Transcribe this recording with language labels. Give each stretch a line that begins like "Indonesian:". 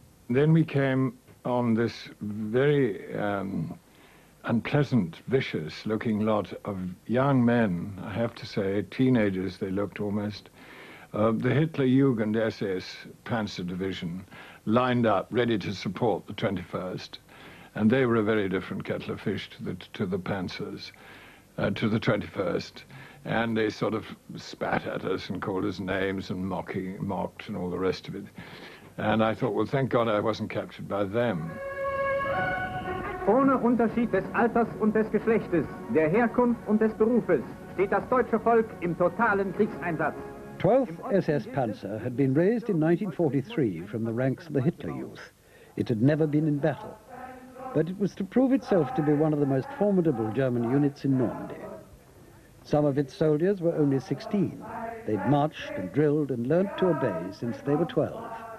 English: Then we came on this very unpleasant, vicious looking lot of young men, I have to say, teenagers they looked almost, the Hitlerjugend SS Panzer Division lined up ready to support the 21st. And they were a very different kettle of fish to the Panzers, to the 21st. And they sort of spat at us and called us names and mocked and all the rest of it. And I thought, well, thank God I wasn't captured by them.
German: Ohne Unterschied des Alters und des Geschlechtes, der Herkunft und des Berufes, steht das deutsche Volk im totalen Kriegseinsatz.
English: 12th SS Panzer had been raised in 1943 from the ranks of the Hitler Youth. It had never been in battle, but it was to prove itself to be one of the most formidable German units in Normandy. Some of its soldiers were only 16. They'd marched and drilled and learnt to obey since they were 12.